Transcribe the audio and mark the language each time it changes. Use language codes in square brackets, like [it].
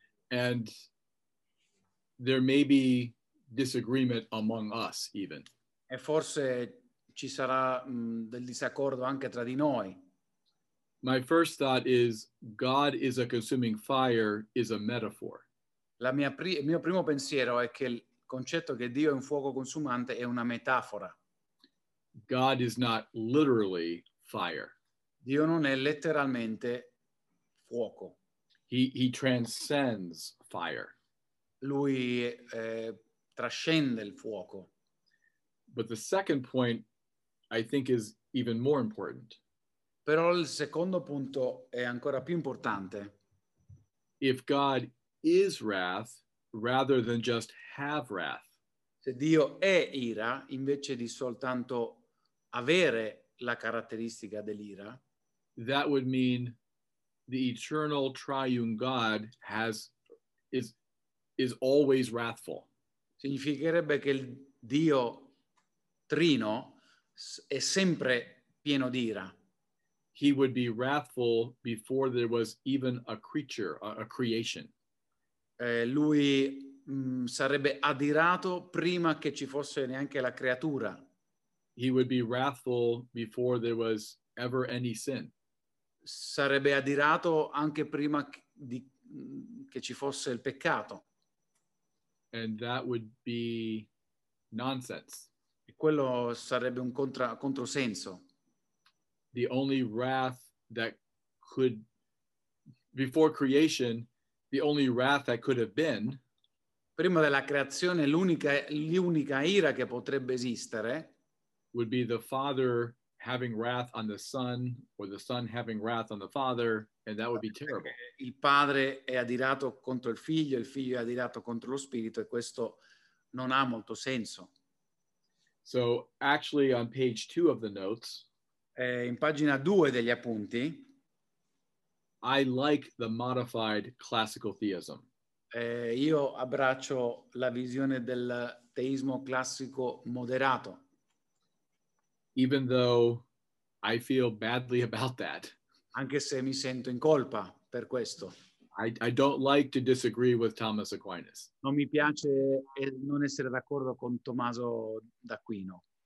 [en] And there may be disagreement among us even. [it] E forse ci sarà del disaccordo anche tra di noi. [en] My first thought is God is a consuming fire is a metaphor. [it] Il mio primo pensiero è che il concetto che Dio è un fuoco consumante è una metafora. [en] God is not literally fire. [it] Dio non è letteralmente fuoco. [en] He transcends fire. [it] Lui trascende il fuoco. [en] But the second point, I think, is even more important. [it] Però il secondo punto è ancora più importante. [en] If God is wrath, rather than just have wrath. [it] Se Dio è ira, invece di soltanto avere la caratteristica dell'ira. [en] That would mean the eternal triune God is always wrathful. [it] Significherebbe che il Dio trino è sempre pieno d'ira. [en] He would be wrathful before there was even a creature, a creation. [it] Lui sarebbe adirato prima che ci fosse neanche la creatura. [en] He would be wrathful before there was ever any sin. [it] Sarebbe adirato anche prima che ci fosse il peccato. [en] And that would be nonsense. [it] E quello sarebbe un controsenso. [en] The only wrath that could, before creation, the only wrath that could have been. [it] Prima della creazione, l'unica ira che potrebbe esistere. [en] Would be the Father having wrath on the Son, or the Son having wrath on the Father, and that would be terrible. [it] Il Padre è adirato contro il Figlio è adirato contro lo Spirito, e questo non ha molto senso. [en] So, actually, on page 2 of the notes, [it] in pagina 2 degli appunti, [en] I like the modified classical theism. [it] Io abbraccio la visione del teismo classico moderato. [en] Even though I feel badly about that. [it] Anche se mi sento in colpa per questo. [en] I don't like to disagree with Thomas Aquinas. [it] Non mi piace non essere d'accordo con Tommaso d'Aquino.